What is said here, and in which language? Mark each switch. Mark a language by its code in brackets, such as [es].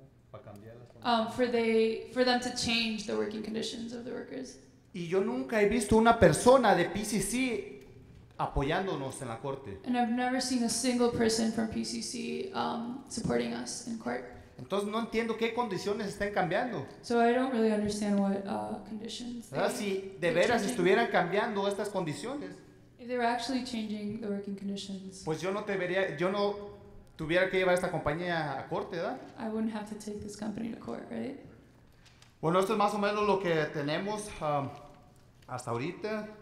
[en] For them to change the working conditions of the workers. [es] Y yo nunca he visto una persona de PCC apoyándonos en la corte. [en] And I've never seen a single person from PCC supporting us in court. [es] Entonces no entiendo qué condiciones están cambiando. [en] So I don't really understand what conditions. [es] ¿Verdad? Si de veras estuvieran cambiando estas condiciones. [en] If they were actually changing the working conditions. [es] Pues yo no te vería, yo no tuviera que llevar esta compañía a corte, ¿verdad? [en] I wouldn't have to take this company to court, right? [es] Bueno, esto es más o menos lo que tenemos hasta ahorita.